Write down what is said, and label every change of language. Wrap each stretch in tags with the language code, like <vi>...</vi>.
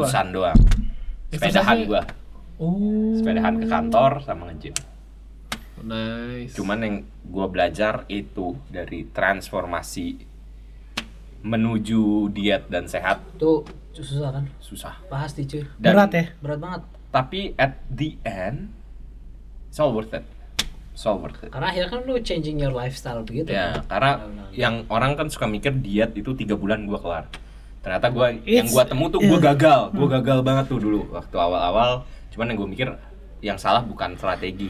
<id>Gue makan rebusan doang. Sepedahan gue. Sepedahan ke kantor sama nge-gym.</id> <en>Nice.</en> <id>Cuman yang gue belajar itu dari transformasi menuju diet dan sehat itu susah kan? Susah. Pasti cuy. Dan berat ya? Berat banget.</id> <en>Tapi at the end, it's all worth it.</en> <id>Karena akhirnya kan lu</id> <en>changing your lifestyle</en> <id>begitu. Ya, kan? Karena yang orang kan suka mikir diet itu 3 bulan gua kelar. Ternyata gua yang gua temu tuh gua gagal. Gua gagal banget tuh dulu waktu awal-awal. Cuman yang gua mikir yang salah bukan strategi.</id>